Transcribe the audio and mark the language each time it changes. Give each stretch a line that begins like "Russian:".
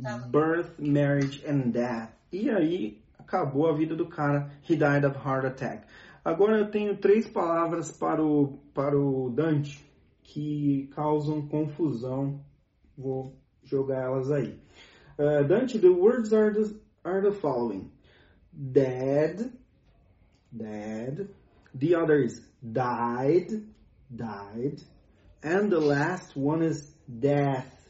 English: Birth, marriage and death.
Portuguese: E aí... acabou a vida do cara.
English: He died of heart attack.
Portuguese: Agora eu tenho três palavras para o Dante que causam confusão. Vou jogar elas aí.
English: Dante, the words are the following. Dead. The other is died. And the last one is death.